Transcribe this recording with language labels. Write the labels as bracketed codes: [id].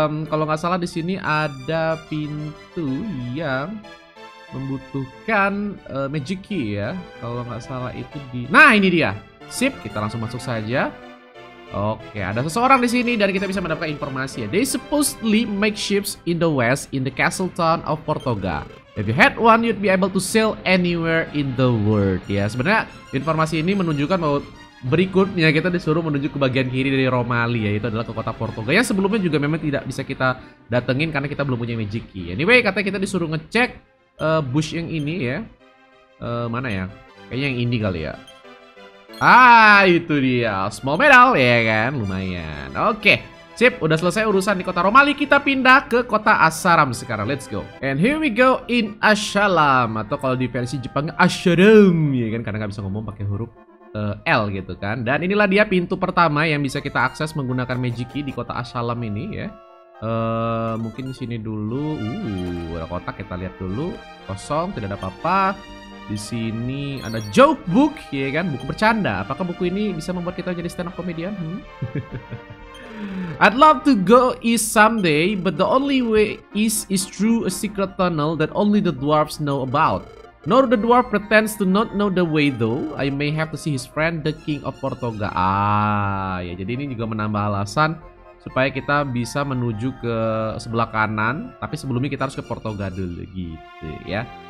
[id] Kalau nggak salah di sini ada pintu yang membutuhkan magic key ya. Kalau nggak salah itu di. Nah ini dia. Sip, kita langsung masuk saja. Oke, ada seseorang di sini dan kita bisa mendapatkan informasi ya. [en] They supposedly make ships in the west in the castle town of Portoga. If you had one, you'd be able to sail anywhere in the world. [id] Ya, sebenarnya informasi ini menunjukkan bahwa berikutnya kita disuruh menuju ke bagian kiri dari Romali ya. Itu adalah ke kota Portugal. Yang sebelumnya juga memang tidak bisa kita datengin karena kita belum punya magic key. Anyway, katanya kita disuruh ngecek bush yang ini ya. Mana ya? Kayaknya yang ini kali ya. Ah, itu dia. Small medal ya kan? Lumayan. Oke. Sip, udah selesai urusan di kota Romali. Kita pindah ke kota Asaram sekarang. [en] Let's go. And here we go in Asaram. [id] Atau kalau di versi Jepangnya Asaram. Ya kan? Karena nggak bisa ngomong pakai huruf L gitu kan. Dan inilah dia pintu pertama yang bisa kita akses menggunakan magic key di kota Asalam ini ya. Mungkin di sini dulu. Ada kotak, kita lihat dulu. Kosong, tidak ada apa-apa. Di sini ada joke book ya kan, buku bercanda. Apakah buku ini bisa membuat kita jadi stand up comedian? [en] I'd love to go east someday, but the only way east is through a secret tunnel that only the dwarves know about. Nor the dwarf pretends to not know the way though. I may have to see his friend, the King of Portoga. [id] Ah, ya jadi ini juga menambah alasan supaya kita bisa menuju ke sebelah kanan. Tapi sebelumnya kita harus ke Portoga dulu, gitu ya.